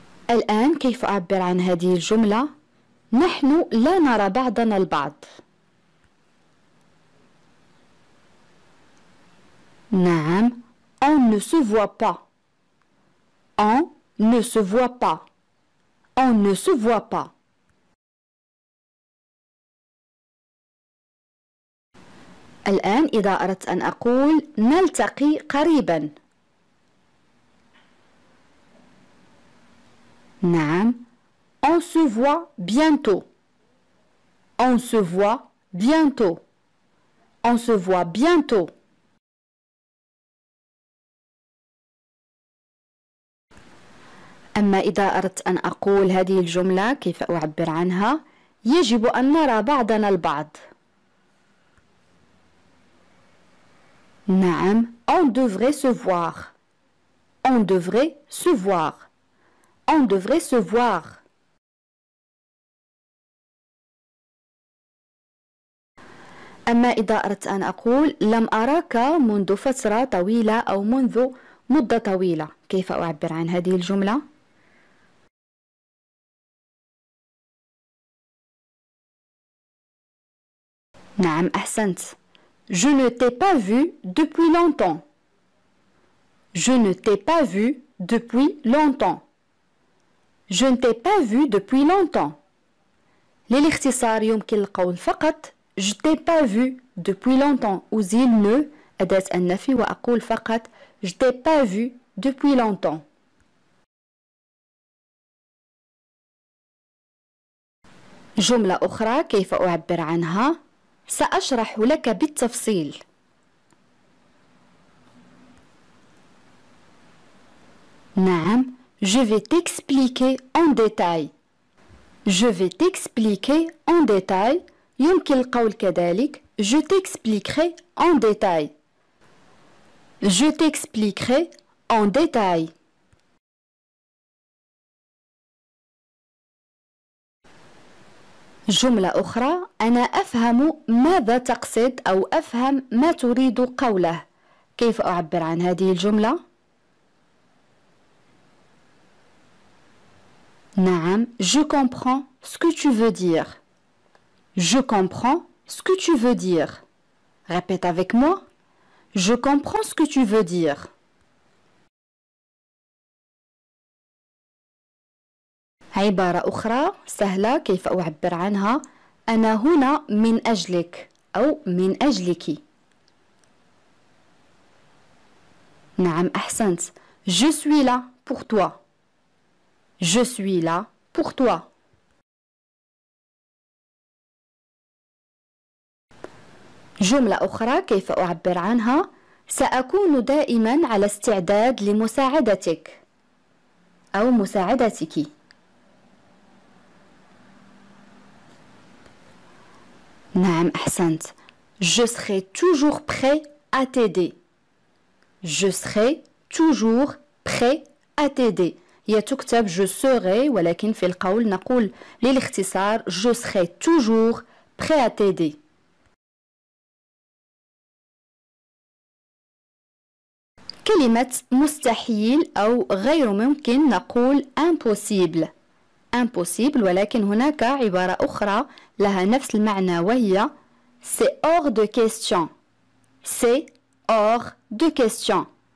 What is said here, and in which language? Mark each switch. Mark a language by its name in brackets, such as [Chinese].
[Arabic] الآن كيف أعبر عن هذه الجملة؟ نحن لا نرى بعضنا البعض. [French] نعم، on ne se voit pas. On ne se voit pas. On ne se voit pas. [Arabic] الآن إذا أردت أن أقول نلتقي قريبا. [French] نعم، on se voit bientôt. On se voit bientôt. On se voit bientôt. [Arabic] أما إذا أردت أن أقول هذه الجملة كيف أعبر عنها؟ يجب أن نرى بعضنا البعض. [French] نعم، on devrait se voir. On devrait se voir. On devrait se voir. [Arabic] أما إذا أردت أن أقول لم أراك منذ فترة طويلة أو منذ مدة طويلة، كيف أعبر عن هذه الجملة؟ نعم أحسنت. [French] Je ne t'ai pas vu depuis longtemps. Je ne t'ai pas vu depuis longtemps. Je ne t'ai pas vu depuis longtemps. [Arabic] للاختصار يمكن القول فقط [French] je t'ai pas vu depuis longtemps. [Arabic] أزيل [French] ne [Arabic] أداة النفي وأقول فقط [French] je t'ai pas vu depuis longtemps. [Arabic] جملة أخرى كيف أعبر عنها؟ سأشرح لك بالتفصيل. [French] نعم، je vais t'expliquer en détail. Je vais t'expliquer en détail. [Arabic] يمكن القول كذلك. [French] Je t'expliquerai en détail. Je t'expliquerai en détail. [Arabic] جملة أخرى أنا أفهم ماذا تقصد أو أفهم ما تريد قوله، كيف أعبر عن هذه الجملة؟ [French] نعم، je comprends ce que tu veux dire. Je comprends ce que tu veux dire. Répète avec moi. Je comprends ce que tu veux dire. [Arabic] عبارة أخرى سهلة كيف أعبر عنها أنا هنا من أجلك أو من أجلك. نعم أحسنت. [French] Je suis là pour toi. Je suis là pour toi. [Arabic] جملة أخرى كيف أعبر عنها سأكون دائما على استعداد لمساعدتك أو مساعدتك. نعم أحسنت. [French] Je serai toujours prêt à t'aider. Je serai toujours prêt à t'aider. [Arabic] هي تكتب [French] je serai [Arabic] ولكن في القول نقول للاختصار [French] je serai toujours prêt à t'aider. [Arabic] كلمة مستحيل أو غير ممكن نقول impossible. Impossible, ولكن هناك عبارة أخرى لها نفس المعنى وهي [French] C'est hors de question. C'est hors de question.